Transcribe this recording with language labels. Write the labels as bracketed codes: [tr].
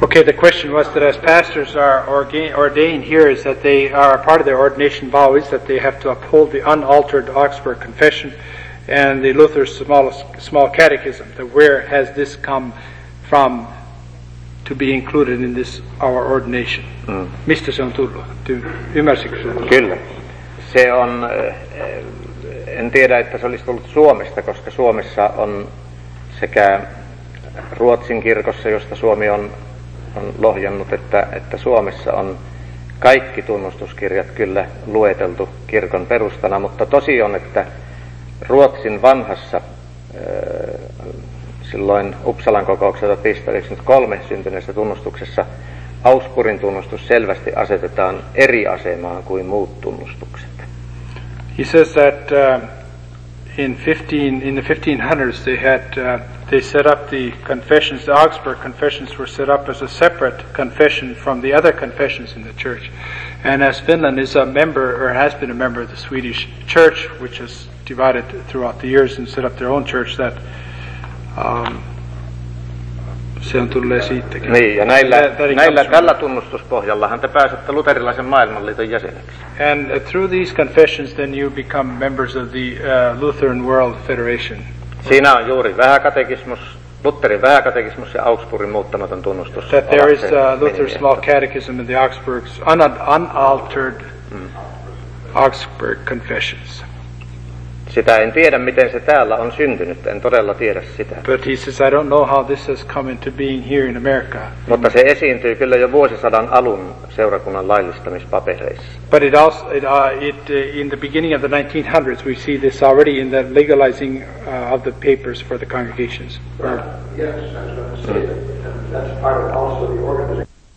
[en] Okay, the question was that as pastors are ordained here, is that they are part of their ordination vow, is that they have to uphold the unaltered Augsburg Confession and the Luther's Small Catechism. That where has this come from to be included in this our ordination? [fi] Mistä se on tullut? Ymmärsikö sinä? Kyllä. Se on, en tiedä, että se olisi tullut Suomesta, koska Suomessa on sekä Ruotsin kirkossa, josta Suomi on lohjannut, että Suomessa on kaikki tunnustuskirjat kyllä lueteltu kirkon perustana, mutta tosi on, että Ruotsin vanhassa silloin Uppsalan kokouksessa 1993 syntyneessä tunnustuksessa Augsburgin tunnustus selvästi asetetaan eri asemaan kuin muut tunnustukset. [en] He says that in the 1500s they had they set up the confessions, the Augsburg confessions were set up as a separate confession from the other confessions in the church. And as Finland is a member, or has been a member of the Swedish church, which has divided throughout the years and set up their own church, that [fi] se on tullut siitäkin. Niin, ja näillä tällä tunnustuspohjallahan te pääsette luterilaisen maailmanliiton jäseneksi. [en] And through these confessions then you become members of the Lutheran World Federation. [fi] Siinä on juuri vähäkatekismus, Lutherin vähäkatekismus ja Augsburgin muuttamaton tunnustus. [en] That there is Luther's small catechism and the Augsburg's unaltered Augsburg confessions. [fi] Sitä en tiedä, miten se täällä on syntynyt. En todella tiedä sitä. [en] But he says, I don't know how this has come into being here in America. [fi] Mutta se esiintyy kyllä jo vuosisadan alun seurakunnan laillistamispapereissa. [en] But it also, in the beginning of the 1900s, we see this already in the legalizing of the papers for the congregations. Yes, I was about to say that. That's part of also the organization.